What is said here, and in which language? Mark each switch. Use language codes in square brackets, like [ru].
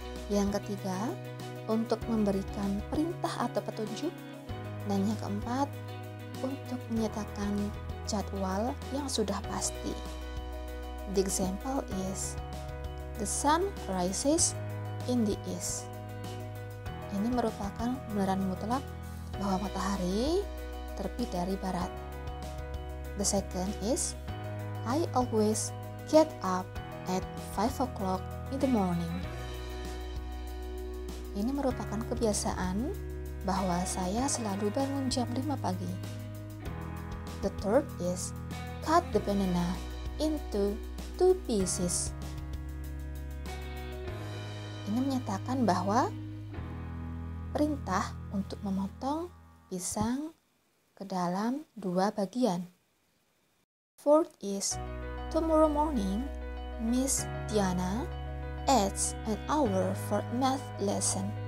[id] Yang ketiga, untuk memberikan perintah atau petunjuk. Dan yang keempat, untuk menyatakan jadwal yang sudah pasti. [en] The example is, the sun rises in the east. [id] Ini merupakan kebenaran mutlak bahwa matahari terbit dari barat. [en] The second is, I always get up at 5 o'clock in the morning. [id] Ini merupakan kebiasaan bahwa saya selalu bangun jam 5 pagi. [en] The third is, cut the banana into 2 pieces. [id] Ini menyatakan bahwa perintah untuk memotong pisang ke dalam 2 bagian. [en] Fourth is, tomorrow morning, Miss Diana adds an hour for math lesson.